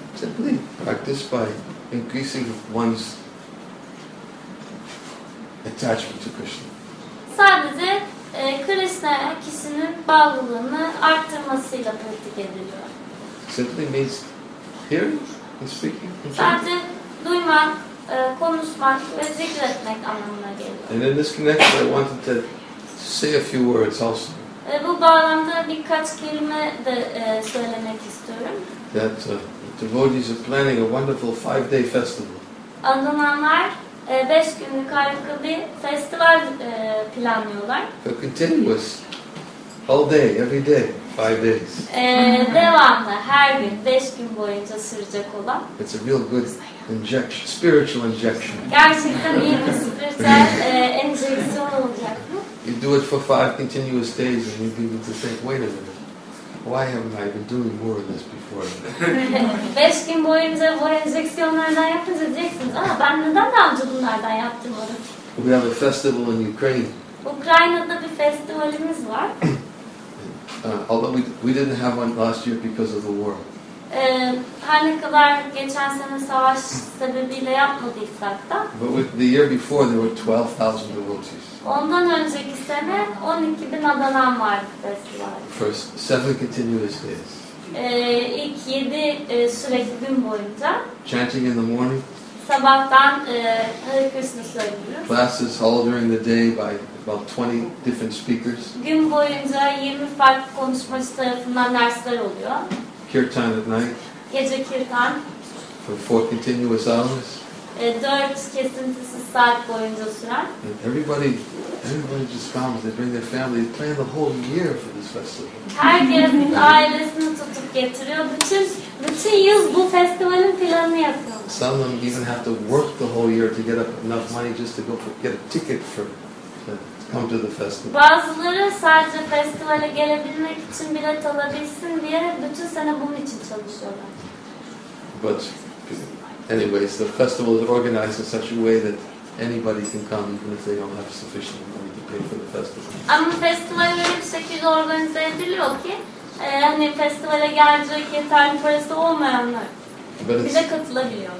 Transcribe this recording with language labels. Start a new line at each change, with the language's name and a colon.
English: Simply practice by increasing one's attachment to Krishna.
Turkish: Sadece Krishna kişinin bağlılığını arttırmasıyla pratik ediliyor.
English: Simply means hearing and speaking.
Turkish: Sadece duymak, konuşmak ve zikretmek anlamına geliyor.
English: And in this connection, I wanted to say a few words also.
Turkish: Bu bağlamda birkaç kelime de söylemek istiyorum.
English: That the devotees are planning a wonderful 5-day festival.
Turkish: Adananlar 5 günlük harika bir festival planlıyorlar.
English: A continuous, all day, every day, 5 days.
Turkish: Devamlı, her gün, 5 gün boyunca sürecek olan.
English: It's a real good injection, spiritual injection.
Turkish: Gerçekten iyi bir spiritüel enjeksiyon olacak mı?
English: You do it for 5 continuous days and you'll be able to think, wait a minute. Why haven't I been doing more of this before?
Turkish: 5 gün boyunca bu enjeksiyonlardan yapınca diyeceksiniz, aa ben neden daha önce bunlardan yaptırmadım?
English: We have a festival in Ukraine.
Turkish: Ukrayna'da bir festivalimiz var.
English: Although we didn't have one last year because of the war.
Turkish: Her ne kadar geçen sene savaş sebebiyle yapmadıysak da.
English: But with the year before there were 12,000 devotees.
Turkish: Ondan önceki sene 12.000 adanan vardı festivalde.
English: First 7 continuous days.
Turkish: İlk 7 sürekli gün boyunca.
English: Chanting in the morning.
Turkish: Sabahtan Hare Krishna söylüyoruz.
English: Classes all during the day by about 20 different speakers.
Turkish: Gün boyunca 20 farklı konuşmacı tarafından dersler oluyor.
English: Kirtan at night.
Turkish: Gece kirtan.
English: For 4 continuous hours.
Turkish: 4 kesintisiz saat boyunca süren.
English: And everybody just comes, they bring their family, they plan the whole year for this festival.
Turkish: Herkes ailesini tutup getiriyor. Bütün yıl bu festivalin planını yapıyor.
English: Some of them even have to work the whole year to get up enough money just to go for, get a ticket for come to the festival.
Turkish: Bazıları sadece festivale gelebilmek için bilet alabilsin diye bütün sene bunun için çalışıyorlar.
English: But anyways, the festival is organized in such a way that anybody can come even if they don't have sufficient money to pay for the festival.
Turkish: Ama festival öyle bir şekilde organize ediliyor ki hani festivale gelecek yeterli parası olmayanlar bile katılabiliyor.